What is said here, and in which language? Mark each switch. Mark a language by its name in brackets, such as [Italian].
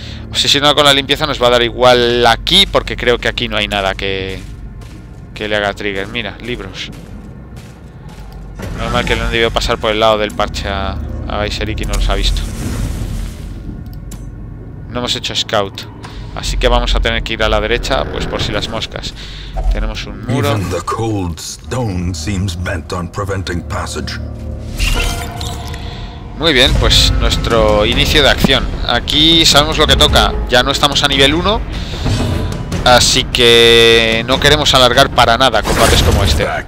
[Spanish] Obsesionada con la limpieza nos va a dar igual aquí, porque creo que aquí no hay nada que le haga trigger. Mira, libros. Normal que le han debido pasar por el lado del parche a Gaiseric y no los ha visto. No hemos hecho scout, así que vamos a tener que ir a la derecha, pues por si las moscas. Tenemos un muro. [English] Even the cold stone seems bent on preventing passage. [Spanish] Muy bien, pues nuestro inicio de acción. Aquí sabemos lo que toca. Ya no estamos a nivel 1, así que no queremos alargar para nada combates como este.